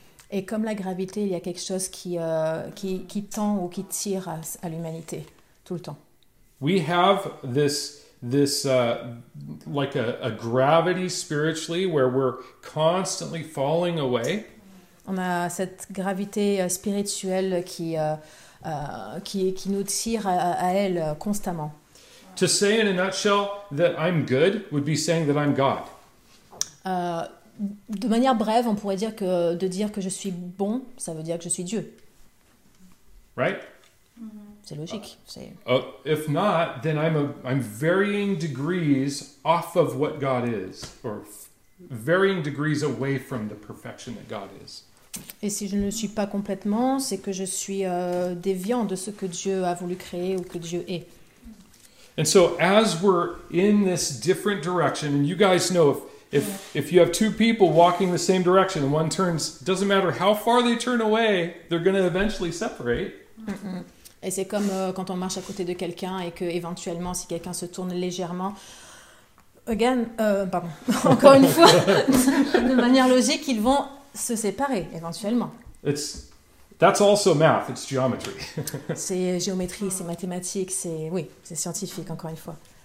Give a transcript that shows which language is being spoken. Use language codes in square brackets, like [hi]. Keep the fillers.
[fr] Et comme la gravité, il y a quelque chose qui, uh, qui, qui, tend ou qui tire à, à l'humanité tout le temps. [en] We have this this uh, like a, a gravity spiritually where we're constantly falling away. [fr] On a cette gravité spirituelle qui, euh, uh, qui, qui nous tire à, à, elle constamment. [en] To say in a nutshell that I'm good would be saying that I'm God. [fr] Euh, de manière brève, on pourrait dire que de dire que je suis bon, ça veut dire que je suis Dieu. Right? C'est logique. Uh, est... [en] uh, if not, then I'm, a, I'm varying degrees off of what God is, or varying degrees away from the perfection that God is. [fr] Et si je ne suis pas complètement, c'est que je suis euh, déviant de ce que Dieu a voulu créer ou que Dieu est. [en] And so as we're in this different direction and you guys know if if if you have two people walking the same direction and one turns doesn't matter how far they turn away, they're going to eventually separate. Mm -hmm. [fr] Et c'est comme euh, quand on marche à côté de quelqu'un et que éventuellement si quelqu'un se tourne légèrement Again, euh, pardon, encore une fois, de manière logique, ils vont se séparer éventuellement. [en] It's, that's also math, it's geometry. [fr] c'est géométrie, c'est mathématiques, c'est oui, c'est scientifique encore une fois.